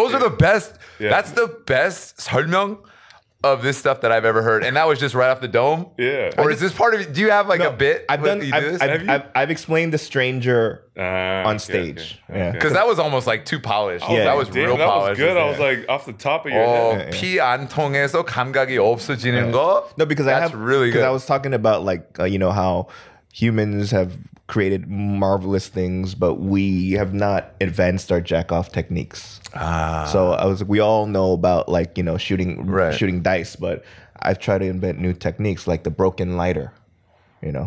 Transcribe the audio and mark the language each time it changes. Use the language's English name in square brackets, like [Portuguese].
[English] Those are the best. Yeah. That's the best 설명 of this stuff that I've ever heard, and that was just right off the dome. Yeah. Or is this part of? Do you have like a bit? I've explained the stranger on stage. Okay, okay. Yeah. Because that was almost like too polished. Yeah. That was real polished. That was good. Yeah. I was like off the top of your head. [Korean] 피 안 통해서 감각이 없어지는 거. [English] No, because I have. That's really good. Because I was talking about like you know how humans have created marvelous things, but we have not advanced our jack-off techniques. So I was like, we all know about like, you know, shooting dice, but I've tried to invent new techniques like the broken lighter, you know?